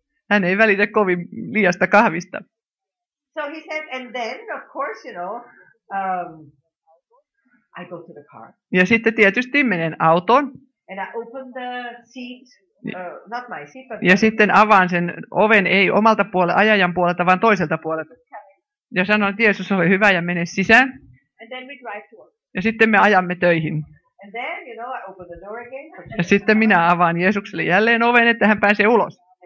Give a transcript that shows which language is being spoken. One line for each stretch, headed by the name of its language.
Finnish: Hän ei välitä kovin liiasta kahvista.
English: So he said, and then, of course, you know, I go to the car.
Finnish: Ja sitten tietysti menen autoon.
English: And I open the seat, not my seat, but.
Finnish: Ja sitten avaan sen oven, ei omalta puolelta, ajajan puolelta, vaan toiselta puolelta. Ja sanon, että Jeesus, ole hyvä ja mene sisään.
English: And then we drive to work.
Finnish: Ja sitten me ajamme töihin.
English: And then, you know, I open the door again.
Finnish: Ja sitten minä avaan Jeesukselle jälleen oven, että hän pääsee ulos.